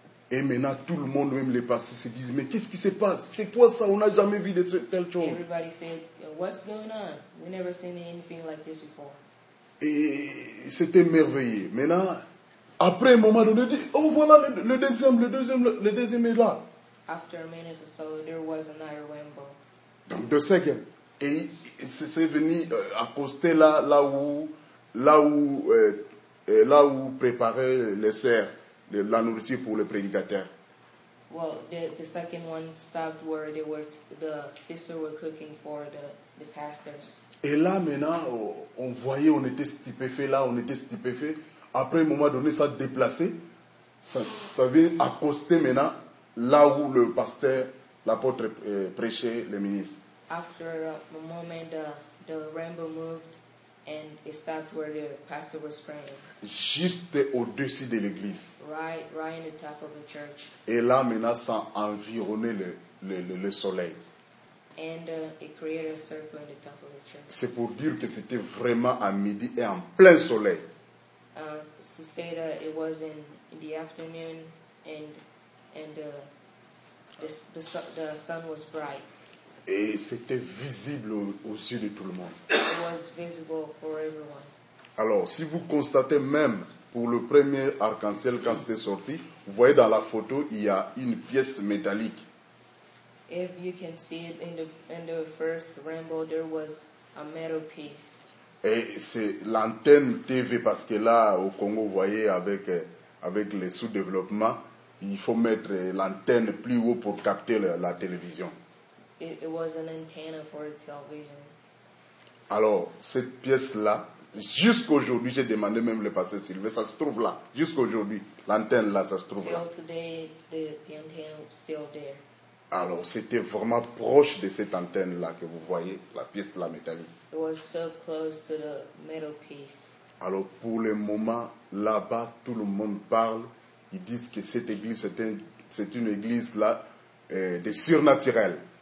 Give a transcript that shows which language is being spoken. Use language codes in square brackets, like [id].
[fr] Et maintenant tout le monde, même les pasteurs, se disent, mais qu'est-ce qui se passe? C'est quoi ça? On n'a jamais vu de telle chose. [en] Everybody said, what's going on? We've never seen anything like this before. [fr] Et c'était merveilleux. Maintenant, après un moment donné, oh voilà le deuxième est là. [en] After a minute or so, there was another rainbow. [fr] Donc deux secondes. Et c'est venu accoster là où préparaient les serres, la nourriture pour les prédicateurs. [en] Well, the second one stopped where they were, the sisters were cooking for the pastors. [fr] Et là maintenant, on voyait, on était stupéfaits. Après un moment donné, ça a déplacé, ça vient accoster maintenant là où le pasteur, l'apôtre prêchait, le ministre. [en] After a moment, the rainbow moved and it stopped where the pastor was praying. [fr] Juste au-dessus de l'église. [en] Right in the top of the church. [fr] Et là maintenant, ça environnait le soleil. [en] And it created a circle in the top of the church. [fr] C'est pour dire que c'était vraiment à midi et en plein soleil. [en] To say that it was in the afternoon and the sun was bright. [fr] Et c'était visible aux yeux de tout le monde. [en] It was visible for everyone. [fr] Alors, si vous constatez même pour le premier arc-en-ciel quand c'était sorti, vous voyez dans la photo, il y a une pièce métallique. [en] If you can see it in the first rainbow, there was a metal piece. [fr] Et c'est l'antenne TV, parce que là, au Congo, vous voyez, avec les sous-développements, il faut mettre l'antenne plus haut pour capter la télévision. [en] It was an antenna for the television. [fr] Alors, cette pièce-là, jusqu'aujourd'hui, j'ai demandé même le pasteur Sylvain, ça se trouve là, jusqu'aujourd'hui, l'antenne-là, ça se trouve [en] till [fr] là. [en] Today, the antenna is still there. [fr] Alors, c'était vraiment proche de cette antenne-là que vous voyez, la pièce de la métallique. [en] It was so close to the metal piece. [fr] Alors, pour le moment, là-bas, tout le monde parle. Ils disent que cette église, c'est une église là, de surnaturel.